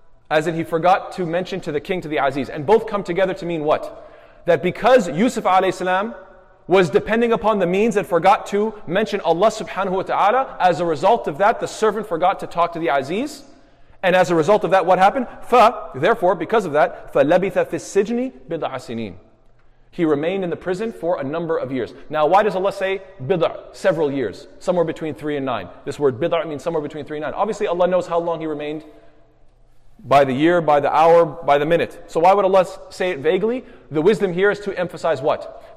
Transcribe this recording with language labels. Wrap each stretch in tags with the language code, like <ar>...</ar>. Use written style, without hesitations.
<en>As in, he forgot to mention to the king, to the Aziz. And both come together to mean what? That because Yusuf alayhi salam was depending upon the means and forgot to mention Allah subhanahu wa ta'ala, as a result of that, the servant forgot to talk to the Aziz. And as a result of that, what happened? Therefore, because of that,</en> <ar>فَلَبِثَ فِي السِّجْنِ بِضْعَ سِنِينَ.</ar> <en>He remained in the prison for a number of years. Now, why does Allah say bid'ah, several years, somewhere between 3 and 9? This word bid'ah means somewhere between 3 and 9. Obviously, Allah knows how long he remained, by the year, by the hour, by the minute. So why would Allah say it vaguely? The wisdom here is to emphasize what?</en>